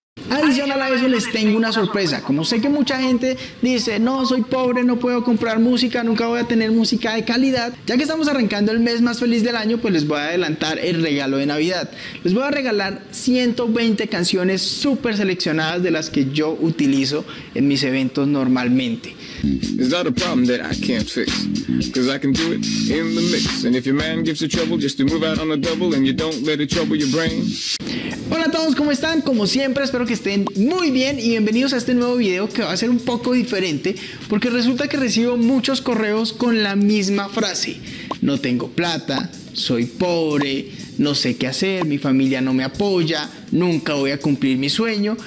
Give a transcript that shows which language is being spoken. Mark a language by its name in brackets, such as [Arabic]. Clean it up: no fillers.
[Spanish] Adicional a eso les tengo una sorpresa. Como sé que mucha gente dice, no, soy pobre, no puedo comprar música, nunca voy a tener música de calidad. Ya que estamos arrancando el mes más feliz del año, pues les voy a adelantar el regalo de Navidad. Les voy a regalar 120 canciones súper seleccionadas de las que yo utilizo en mis eventos normalmente. [English] Is that a problem that I can't fix? Cause I can do it in the mix. And if your man gives you trouble, just to move out on a double and you don't let it trouble your brain. [Spanish] Hola a todos, ¿cómo están? Como siempre, espero que estén muy bien y bienvenidos a este nuevo video que va a ser un poco diferente porque resulta que recibo muchos correos con la misma frase. No tengo plata, soy pobre, no sé qué hacer, mi familia no me apoya, nunca voy a cumplir mi sueño.